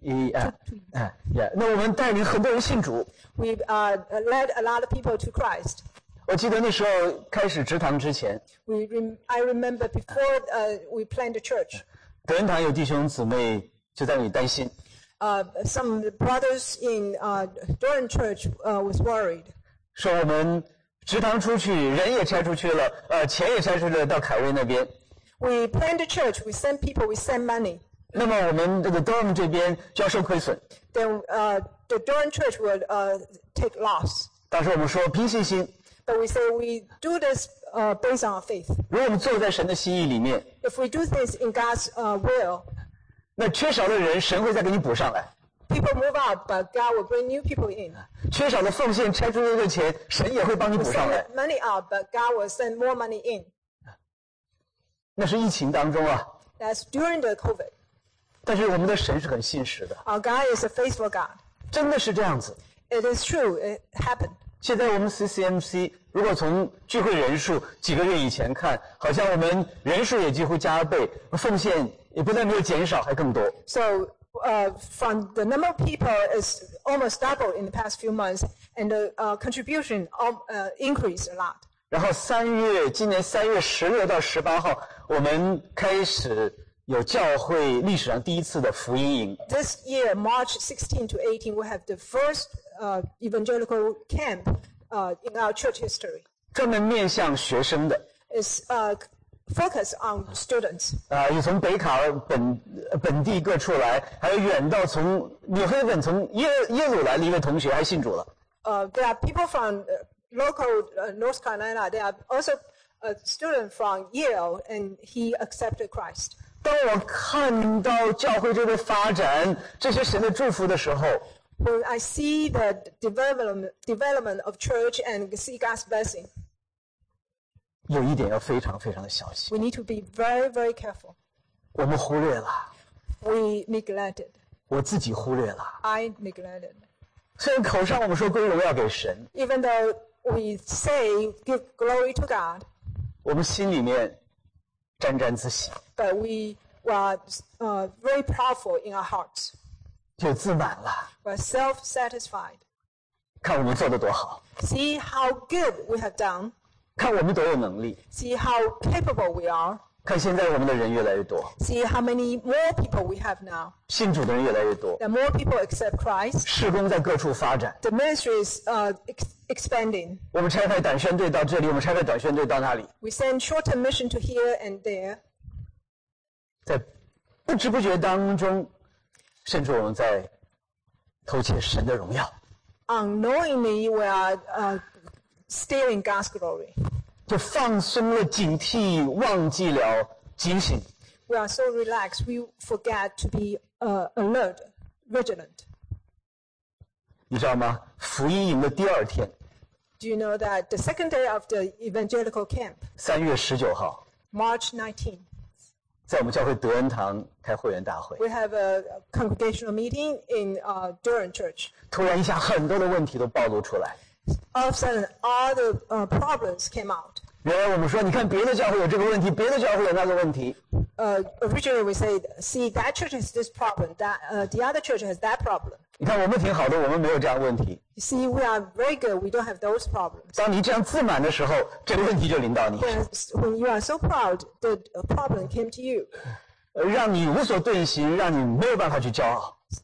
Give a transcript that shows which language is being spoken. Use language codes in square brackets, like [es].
[zh] 义啊，哎呀，那我们带领很多人信主。 [en] We led a lot of people to Christ. [zh] 我记得那时候开始职堂之前。 [en] I remember before we planned the church. [zh] 德恩堂有弟兄姊妹就在那里担心。 [en] Some brothers in Doran Church was worried. [zh] 说我们职堂出去，人也拆出去了，钱也拆出去了，到凯威那边。 [en] We planned the church. We send people. We send money. [zh] 那么我们这个 Durham 这边就要受亏损。 [en] Then the Durham church would take loss. [zh] 但是我们说凭信心。 [en] But we say we do this based on our faith. [zh] 如果我们做在神的心意里面。 [en] If we do this in God's will. [zh] 那缺少的人，神会再给你补上来。 [en] People move out, but God will bring new people in. [zh] 缺少的奉献，拆出去的钱，神也会帮你补上来。 [en] We send money out, but God will send more money in. [zh] 那是疫情当中啊。 [en] That's during the COVID. [zh] 但是我们的神是很信实的。 [en] Our God is a faithful God. [zh] 真的是这样子。 [en] It is true. It happened. [zh] 现在我们 CCMC 如果从聚会人数几个月以前看，好像我们人数也几乎加倍，奉献也不但没有减少，还更多。 [en] So, from the number of people is almost doubled in the past few months, and the contribution increased a lot. [zh] 然后三月，今年三月十六到十八号，我们开始有教会历史上第一次的福音营。 [en] This year, March 16 to 18, we have the first evangelical camp in our church history. [zh] 专门面向学生的。 [en] It's focused on students. [zh] 有从北卡本地各处来，还有远到从纽黑文从耶鲁来的一位同学还信主了。 [en] There are people from local North Carolina, there are also a student from Yale, and he accepted Christ. [zh] 当我看到教会这个发展，这些神的祝福的时候 [en] ，When I see the development of church and see God's blessing, [zh] 有一点要非常非常的小心。 [en] We need to be very, very careful. [zh] 我们忽略了。 [en] We neglected. [zh] 我自己忽略了。 [en] I neglected. [zh] 虽然口上我们说归荣耀给神 [en] ，Even though We say, give glory to God. [zh] 我们心里面沾沾自喜。 [en] But we were very powerful in our hearts. [zh] 就自满了。 [en] We're self-satisfied. [zh] 看我们做得多好。 [en] See how good we have done. [zh] 看我们多有能力。 [en] See how capable we are. [zh] 看现在我们的人越来越多。 [en] See how many more people we have now. [zh] 信主的人越来越多。 [en] The more people accept Christ. [zh] 事工在各处发展。 [en] The ministry is expanding. [zh] 我们拆派短宣队到这里，我们拆派短宣队到那里。 [en] We send short-term mission to here and there. [zh] 在不知不觉当中，甚至我们在偷窃神的荣耀。 [en] Unknowingly, we are stealing God's glory. [zh] 就放松了警惕，忘记了警醒。 [en] We are so relaxed, we forget to be alert, vigilant. [zh] 你知道吗？福音营的第二天。 [en] Do you know that the second day of the evangelical camp? [zh] 3月19号 [en] March 19th. [zh] 在我们教会德恩堂开会员大会。 [en] We have a congregational meeting in Durham Church. [zh] 突然一下，很多的问题都暴露出来。 [en] All of a sudden, all the problems came out. [zh] 原来我们说，你看别的教会有这个问题，别的教会有那个问题。 [en] Originally, we said, see that church has this problem, that the other church has that problem. [zh] 你看我们挺好的，我们没有这样的问题。 [en] You see, we are very good. We don't have those problems. [zh] 当你这样自满的时候，这个问题就临到你。 [en] When you are so proud, the problem came to you. [zh] 让你无所遁形，让你没有办法去骄傲。